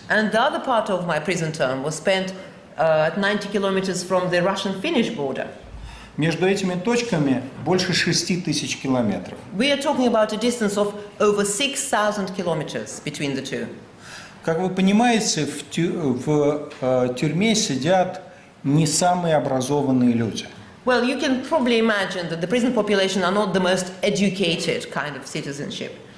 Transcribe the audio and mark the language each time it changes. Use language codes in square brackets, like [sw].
[en] And the other part of my prison term was spent at 90 kilometers from the Russian-Finnish border. [ru] Между этими точками больше 6000 километров. [en] We are talking about a distance of over 6000 kilometers between the two. [ru] Как вы понимаете, в тюрьме сидят не самые образованные люди. [en] Well, you can probably imagine that the prison population are not the most educated kind of citizenship.